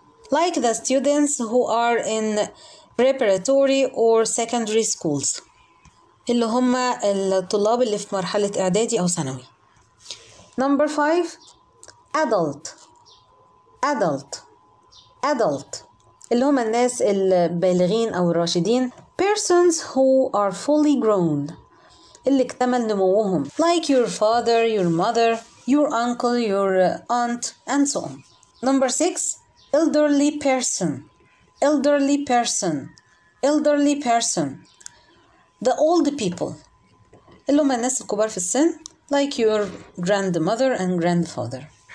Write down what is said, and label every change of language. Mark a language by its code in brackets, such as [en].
[en] Like the students who are in preparatory or secondary schools. [ar] اللي هم الطلاب اللي في مرحلة إعدادي أو ثانوي. [en] Number five, adult. Adult. Adult. [ar] اللي هم الناس البالغين أو الراشدين. [en] Persons who are fully grown. [ar] اللي اكتمل نموهم. [en] Like your father, your mother, your uncle, your aunt, and so on. Number six, elderly person. Elderly person. Elderly person, the old people, [ar] اللي هم الناس الكبار في السن, [en] like your grandmother and grandfather.